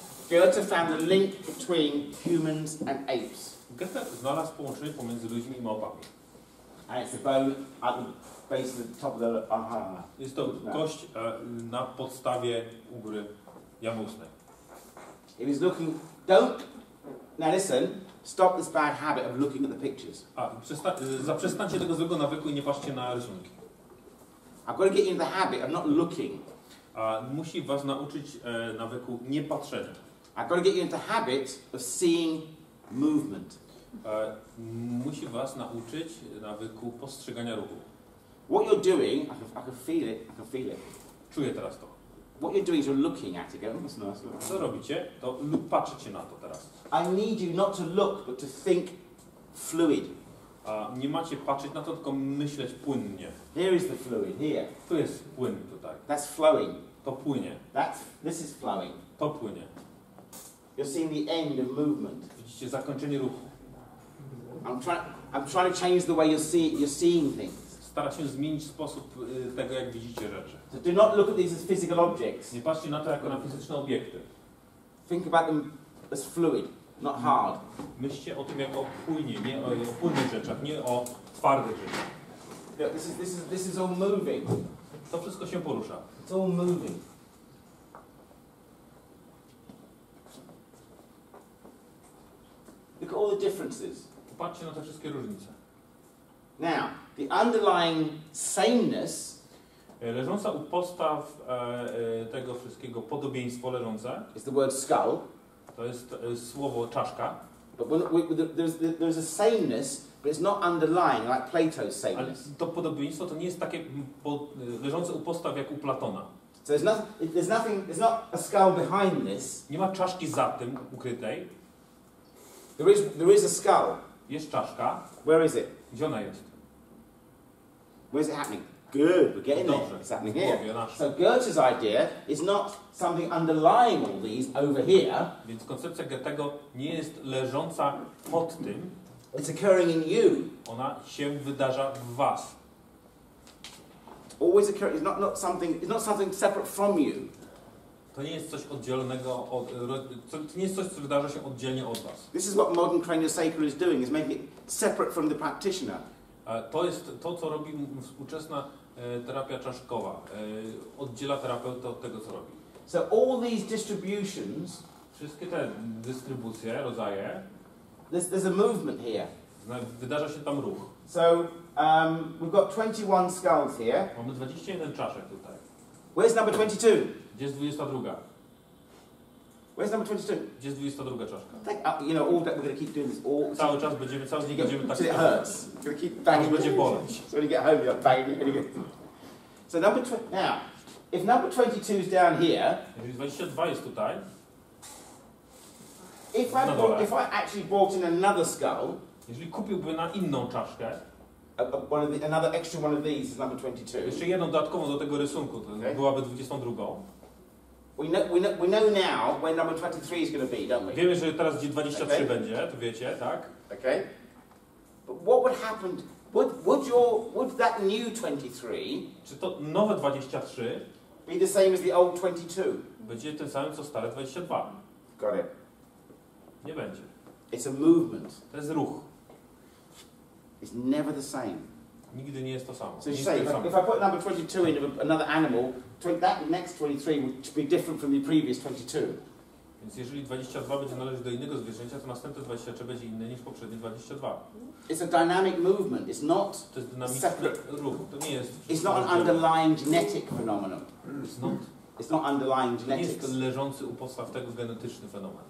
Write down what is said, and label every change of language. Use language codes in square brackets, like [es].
[en] Goethe found the link between humans and apes. [pl] Goethe znalazł połączenie pomiędzy ludźmi i małpami. [en] And it's the bone at the base of the top of the [pl] Jest to kość na podstawie u góry jamusnej. [en] He was looking. Don't. Now listen. Stop this bad habit of looking at the pictures. [pl] Zaprzestańcie tego złego nawyku i nie patrzcie na rysunki. [en] I've got to get into the habit of not looking. [pl] Musi was nauczyć nawyku nie patrzenia. [en] I've got to get you into the habit of seeing movement. [pl] Musi was nauczyć nawyku postrzegania ruchu. [en] What you're doing, I can feel it. [pl] Czuję teraz to. [en] What you're doing is you're looking at it. That's nice. [pl] Co robicie? To patrzycie na to teraz. [en] I need you not to look, but to think fluid. [pl] Nie macie patrzeć na to, tylko myśleć płynnie. [en] Here is the fluid, here. [pl] Tu jest płyn tutaj. [en] That's flowing. [pl] To płynie. [en] This is flowing. [pl] To płynie. [en] You're seeing the end of movement. [pl] Widzicie zakończenie ruchu. [en] I'm trying to change the way you're seeing things. [pl] Staram się zmienić sposób tego, jak widzicie rzeczy. [en] So do not look at these as physical objects. [pl] Nie patrzcie na to jako na fizyczne obiekty. [en] Think about them as fluid, not hard. [pl] Myślcie o tym jako płynie, nie o płynnych rzeczach, nie o twardych rzeczach. [en] This is all moving. [pl] To wszystko się porusza. [en] It's all moving. Look at all the differences. [pl] Patrzcie na te wszystkie różnice. [en] Now, the underlying sameness. [pl] Leżąca u podstaw tego wszystkiego podobieństwo leżące. [en] Is the word skull. [pl] To jest słowo czaszka. [en] But there's a sameness, but it's not underlying like Plato's sameness. [pl] Ale to podobieństwo to nie jest takie leżące u podstaw jak u Platona. [en] So there's not a skull behind this. [pl] Nie ma czaszki za tym ukrytej. [en] There is a skull. [pl] Jest czaszka. [en] Where is it? [pl] Gdzie ona jest? [en] Where is it happening? Good, we're getting [pl] Dobrze. [en] There. It's happening here. So Goethe's idea is not something underlying all these over here. [pl] Więc koncepcja Goethego nie jest leżąca pod tym. [en] It's occurring in you. [pl] Ona się wydarza w was. [en] It's always occurring. It's not something separate from you. [pl] To nie jest coś oddzielnego od, to nie jest coś, co wydarza się oddzielnie od was. [en] This is what modern craniosacral is doing, is making it separate from the practitioner. [pl] To jest to, co robi współczesna terapia czaszkowa. Oddziela terapeuta od tego, co robi. [en] So all these distributions, [pl] wszystkie te dystrybucje, rodzaje, [en] there's a movement here. [pl] Wydarza się tam ruch. [en] So we've got 21 skulls here. [pl] Mamy 21 czaszek tutaj. [en] Where's number 22? [pl] Gdzie jest 22? [en] Where's number 22? [pl] Gdzie jest 22 czaszka? [en] We're gonna keep doing this all. [pl] Cały czas będziemy, cały dzień będziemy tak. [en] It hurts. Gonna keep banging. [pl] Będzie boleć. [en] So when you get home, you're banging. So number now, if number 22 is down here. [pl] Jeżeli 22 jest tutaj. [en] If I actually bought in another skull. [pl] Jeżeli kupiłbym na inną czaszkę. [en] Another extra one of these is number 22. [pl] Jeszcze jedną dodatkową do tego rysunku, to okay. Byłaby 22. [en] We know now when number 23 is going to be, don't we? [pl] Wiemy, że teraz gdzie 23 okay. będzie, to wiecie, tak? [en] Okay. But what would happen? Would that new 23? [pl] Czy to nowe 23? [en] Be the same as the old 22? [pl] Będzie tym samym co stare 22? [en] Got it. [pl] Nie będzie. [en] It's a movement. [pl] To jest ruch. [en] It's never the same. [pl] Nigdy nie jest to samo. [en] So you say, if I put number 22 in another animal, that next 23 would be different from the previous 22. [pl] Więc jeżeli 22 będzie należeć do innego zwierzęcia, to następne 23 będzie inne niż poprzednie 22. [en] It's a dynamic movement. It's not [pl] to jest dynamiczny [en] separate. [pl] Ruch. To nie jest. [en] It's not an underlying genetic phenomenon. It's not underlying genetics. [pl] To nie jest leżący u podstaw tego genetyczny fenomen.